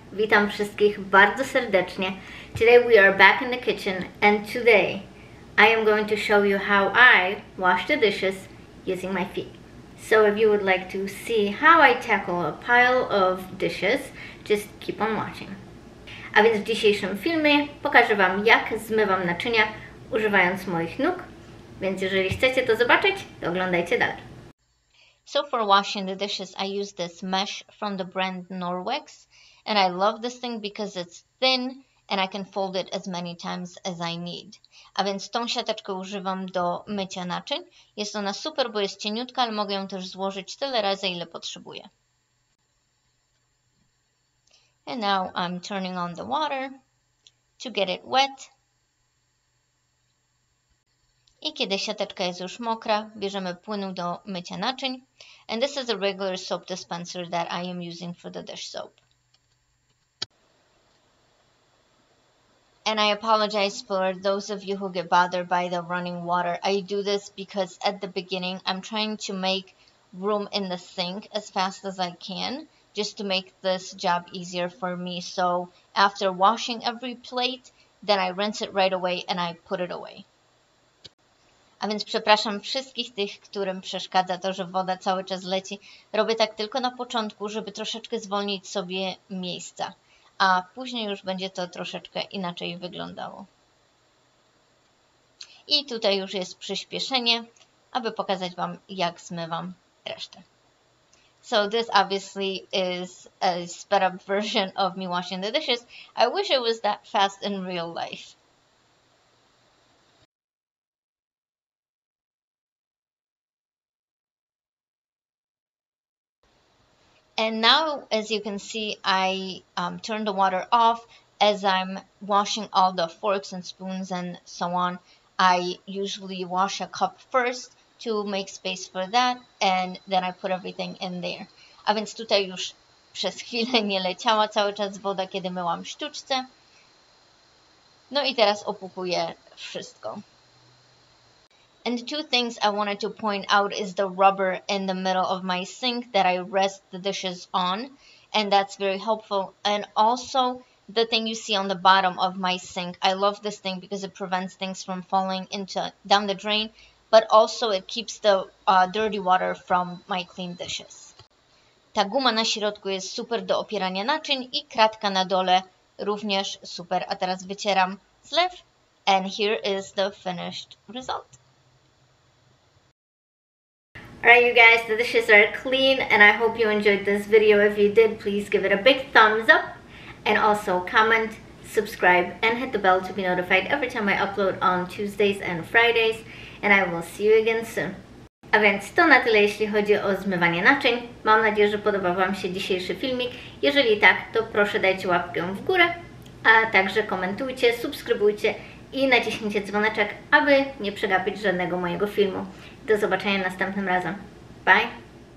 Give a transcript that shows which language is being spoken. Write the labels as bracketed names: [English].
[Polish] Witam wszystkich bardzo serdecznie. [English] Today we are back in the kitchen and today I am going to show you how I wash the dishes using my feet. So if you would like to see how I tackle a pile of dishes, just keep on watching. [Polish] A więc w dzisiejszym filmie pokażę Wam, jak zmywam naczynia używając moich nóg. Więc jeżeli chcecie to zobaczyć, to oglądajcie dalej. [English] So for washing the dishes, I use this mesh from the brand Norwex. And I love this thing because it's thin and I can fold it as many times as I need. [Polish] A więc tą siateczkę używam do mycia naczyń. Jest ona super, bo jest cieniutka, ale mogę ją też złożyć tyle razy, ile potrzebuję. [English] And now I'm turning on the water to get it wet. [Polish] I kiedy siateczka jest już mokra, bierzemy płyn do mycia naczyń. [English] And this is a regular soap dispenser that I am using for the dish soap. And I apologize for those of you who get bothered by the running water. I do this because at the beginning I'm trying to make room in the sink as fast as I can, just to make this job easier for me. So after washing every plate, then I rinse it right away and I put it away. [Polish] A więc przepraszam wszystkich tych, którym przeszkadza to, że woda cały czas leci. Robię tak tylko na początku, żeby troszeczkę zwolnić sobie miejsca. A później już będzie to troszeczkę inaczej wyglądało. I tutaj już jest przyspieszenie, aby pokazać Wam, jak zmywam resztę. [English] So this obviously is a sped up version of me washing the dishes. I wish it was that fast in real life. And now, as you can see, I turn the water off as I'm washing all the forks and spoons and so on. I usually wash a cup first to make space for that, and then I put everything in there. [Polish] A więc tutaj już przez chwilę nie leciała cały czas woda, kiedy myłam sztuczce. No i teraz opłukuję wszystko. [English] And two things I wanted to point out is the rubber in the middle of my sink that I rest the dishes on, and that's very helpful. And also the thing you see on the bottom of my sink. I love this thing because it prevents things from falling down the drain, but also it keeps the dirty water from my clean dishes. [Polish] Ta guma na środku jest super do opierania naczyń i kratka na dole również super. A teraz wycieram zlew [English] and here is the finished result. Alright you guys, the dishes are clean and I hope you enjoyed this video. If you did, please give it a big thumbs up and also comment, subscribe and hit the bell to be notified every time I upload on Tuesdays and Fridays and I will see you again soon. [Polish] A więc to na tyle jeśli chodzi o zmywanie naczyń. Mam nadzieję, że podobał Wam się dzisiejszy filmik. Jeżeli tak, to proszę dajcie łapkę w górę, a także komentujcie, subskrybujcie i naciśnijcie dzwoneczek, aby nie przegapić żadnego mojego filmu. Do zobaczenia następnym razem. Bye!